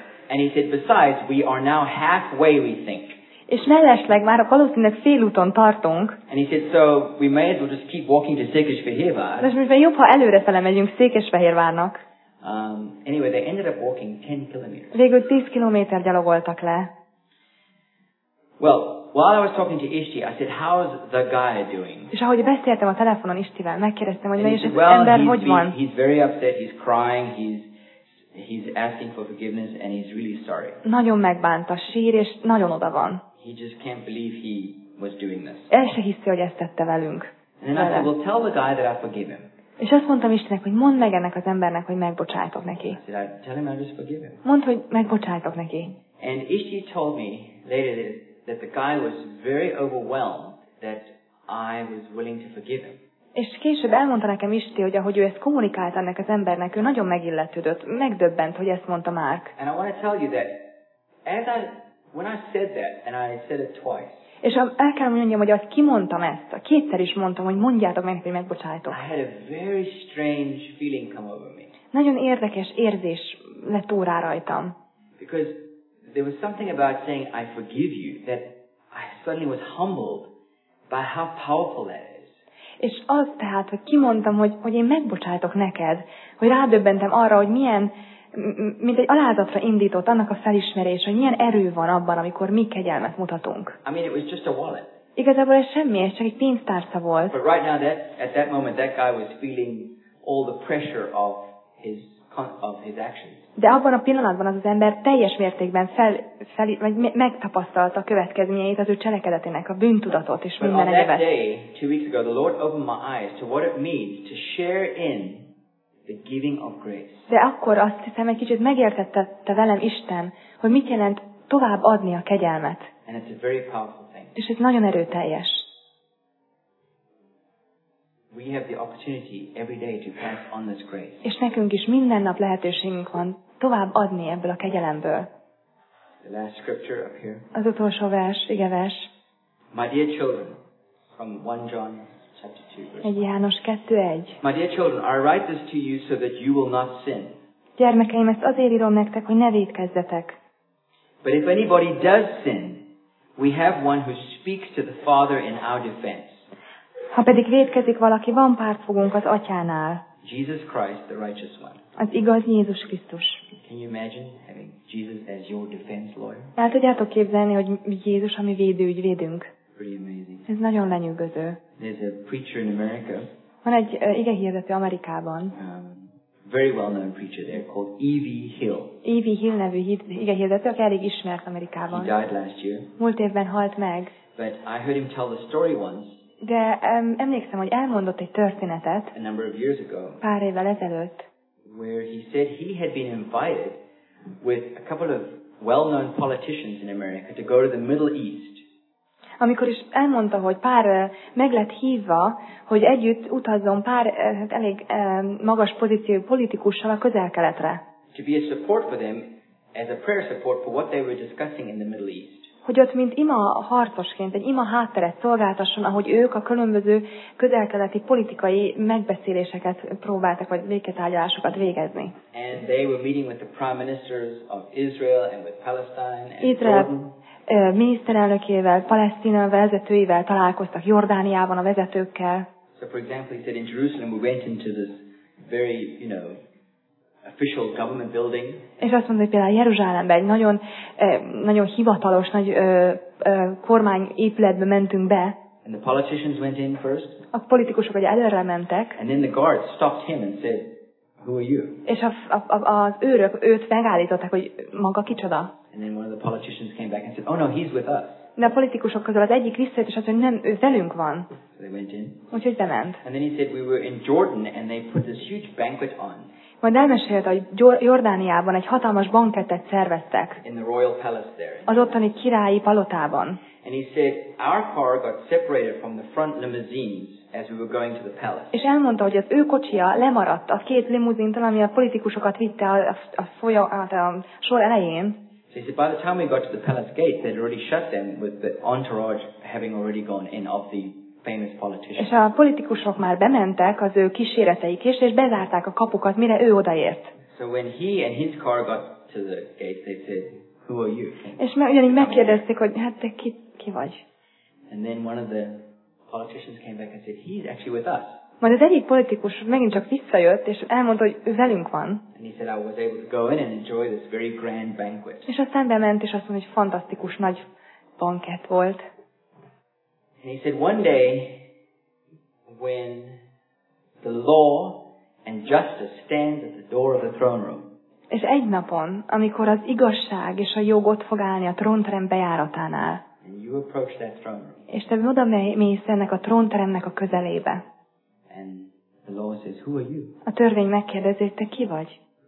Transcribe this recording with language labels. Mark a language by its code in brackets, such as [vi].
[en] And he said, besides, we are now halfway, we think. [hu] És mellesleg már valószínűleg fél úton tartunk. [en] And he said, so we may as well just keep walking to Székesfehérvár. [hu] És most már jobb, ha előre fele megyünk Székesfehérvárnak. [en] Anyway, they ended up walking 10 kilometers. [hu] Végül 10 kilométer gyalogoltak le. [en] Well, while I was talking to Isti, I said, "How's the guy doing?" [hu] És ahogy beszéltem a telefonon Istivel, megkérdeztem, hogy mely is az ember, hogy van. [en] He's very upset. He's crying. He's asking for forgiveness, and he's really sorry. [hu] Nagyon megbánt a sír, és nagyon oda van. [en] He just can't believe he was doing this. [hu] El se hiszi, hogy ezt tette velünk. [en] And then I said, "Well, tell the guy that I forgive him." [hu] És azt mondtam Istennek, hogy mondd meg ennek az embernek, hogy megbocsájtok neki. Mondd, hogy megbocsájtok neki. [en] And Isti told me later that the guy was very overwhelmed that I was willing to forgive him. [hu] És később elmondta nekem Isti, hogy ahogy ő ezt kommunikált ennek az embernek, ő nagyon megilletődött, megdöbbent, hogy ezt mondta Mark. [en] And I want to tell you that as I when I said that and I said it twice. [hu] És el kell mondjam, hogy azt kimondtam ezt, kétszer is mondtam, hogy mondjátok meg, hogy megbocsájtok. [en] I had a very strange feeling come over me. [hu] Nagyon érdekes érzés lett órá rajtam. [en] Because there was something about saying I forgive you that I suddenly was humbled by how powerful that is. [hu] És az tehát, hogy kimondtam, hogy én megbocsájtok neked, hogy rádöbbentem arra, hogy milyen, mint egy alázatra indított annak a felismerés, hogy milyen erő van abban, amikor mi kegyelmet mutatunk. [en] I mean, it was just a wallet. [hu] Igazából ez semmi, ez csak egy pénztárca volt. [en] But right now, at that moment, that guy was feeling all the pressure of his actions. [hu] De abban a pillanatban az ember teljes mértékben megtapasztalta a következményeit az ő cselekedetének, a bűntudatot és minden egyebet. [en] But on that day, 2 weeks ago, the Lord opened my eyes to what it means to share in the giving of grace. [hu] De akkor azt hiszem, egy kicsit megértette velem Isten, hogy mit jelent tovább adni a kegyelmet. [en] And it's a very powerful thing. [hu] És ez nagyon erőteljes. [en] We have the opportunity every day to pass on this grace. [hu] És nekünk is minden nap lehetőségünk van tovább adni ebből a kegyelemből. [en] The last scripture up here. [hu] Az utolsó vers, ige vers. [en] My dear children, from 1 John chapter 2 verse [hu] 1 János 2:1. [en] My dear children, I write this to you so that you will not sin. [hu] Gyermekeim, ezt azért írom nektek, hogy ne vétkezzetek. [en] But if anybody does sin, we have one who speaks to the Father in our defense. [hu] Ha pedig vétkezik valaki, van pártfogunk az Atyánál. [en] Jesus Christ, the righteous one. [hu] Az igaz Jézus Krisztus. [en] Can you imagine having Jesus as your defense lawyer? [hu] El tudjátok képzelni, hogy Jézus a mi védőügyvédünk? [en] Pretty amazing. [hu] Ez nagyon lenyűgöző. [en] There's a preacher in America. [hu] Van egy igehirdető Amerikában. [en] Very well-known preacher there called E.V. Hill. [hu] E.V. Hill nevű igehirdető, aki elég ismert Amerikában. [en] He died last year. [hu] Múlt évben halt meg. [en] But I heard him tell the story once. [hu] De emlékszem, hogy elmondott egy történetet [en] a number of years ago, [hu] pár évvel ezelőtt, [en] where he said he had been invited with a couple of well-known politicians in America to go to the Middle East. [hu] Amikor is elmondta, hogy pár meg lett hívva, hogy együtt utazzon pár elég magas pozíciói politikussal a Közel-Keletre. [en] To be a support for them as a prayer support for what they were discussing in the Middle East. [hu] Hogy ott, mint ima harcosként, egy ima hátteret szolgáltasson, ahogy ők a különböző közel-keleti politikai megbeszéléseket próbáltak, vagy béketárgyalásokat végezni. [en] And they were meeting with the prime ministers of Israel and with Palestine and Israel Jordan. [hu] Miniszterelnökével, Palesztina vezetőivel találkoztak, Jordániában a vezetőkkel. [en] So for example, he said in Jerusalem we went into this very, you know, official government building. [hu] És azt mondta, hogy például Jeruzsálemben egy nagyon nagyon hivatalos nagy kormány épületbe mentünk be. [en] And the politicians went in first. [hu] A politikusok ugye előre mentek. [en] And then the guards stopped him and said, "Who are you?" [hu] És az őrök őt megállították, hogy maga kicsoda. [en] And then one of the politicians came back and said, "Oh no, he's with us." [hu] De a politikusok közül az egyik visszajött, és azt mondja, nem, ő velünk van. [en] So they went in. [hu] Úgyhogy bement. [en] And then he said, "We were in Jordan and they put this huge banquet on." [hu] Majd elmesélte, hogy Jordániában egy hatalmas bankettet szerveztek. [en] In the royal palace there. [hu] Az ottani királyi palotában. [en] And he said, our car got separated from the front limousines as we were going to the palace. [hu] És elmondta, hogy az ő kocsia lemaradt a két limuzintól, ami a politikusokat vitte a sor elején. [en] So he said, by the time we got to the palace gate, they'd already shut them with the entourage having already gone in of the famous politician. [hu] És a politikusok már bementek az ő kíséreteik is, és bezárták a kapukat, mire ő odaért. [en] So when he and his car got to the gate, they said, "Who are you?" [hu] És már ugyanígy megkérdezték, hogy hát te ki vagy. [en] And then one of the politicians came back and said, "He's actually with us." [hu] Majd az egyik politikus megint csak visszajött, és elmondta, hogy ő velünk van. [en] And he said, "I was able to go in and enjoy this very grand banquet." [hu] És aztán bement, és azt mondta, hogy fantasztikus nagy bankett volt. [en] And he said, one day, when the law and justice stands at the door of the throne room. [hu] És egy napon, amikor az igazság és a jog ott fog állni a trónterem bejáratánál. [en] And you approach that throne room. [hu] És te oda mész ennek a trónteremnek a közelébe. [en] And the law says, who are you? [hu] A törvény megkérdezi, te ki vagy?